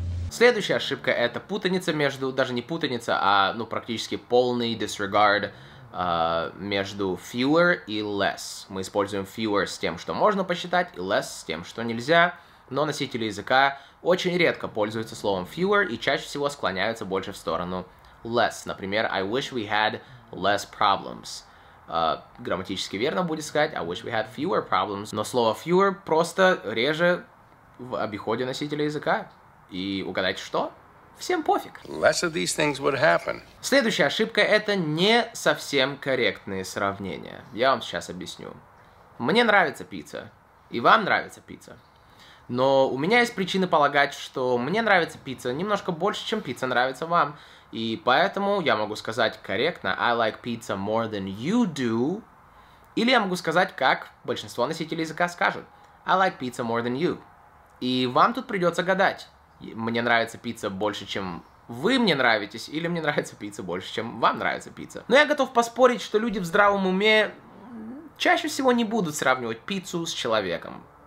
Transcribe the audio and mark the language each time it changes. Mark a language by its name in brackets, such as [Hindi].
[Russian] Следующая ошибка — это путаница между, даже не путаница, а ну практически полный disregard между fewer и less. Мы используем fewer с тем, что можно посчитать, и less с тем, что нельзя. Но носители языка очень редко пользуются словом fewer и чаще всего склоняются больше в сторону less. Например, [English] I wish we had less problems. [Russian] Грамматически верно будет сказать [English] I wish we had fewer problems. [Russian] Но слово fewer просто реже в обиходе носителя языка. И угадайте что? всем пофиг. [English] Less of these things would happen. [Russian] Следующая ошибка — это не совсем корректные сравнения. Я вам сейчас объясню. Мне нравится пицца, и вам нравится пицца. Но у меня есть причины полагать, что мне нравится пицца немножко больше, чем пицца нравится вам. И поэтому я могу сказать корректно [English] «I like pizza more than you do». [Russian] Или я могу сказать, как большинство носителей языка скажут [English] «I like pizza more than you». [Russian] И вам тут придется гадать, мне нравится пицца больше, чем вы мне нравитесь, или мне нравится пицца больше, чем вам нравится пицца. Но я готов поспорить, что люди в здравом уме чаще всего не будут сравнивать пиццу с человеком.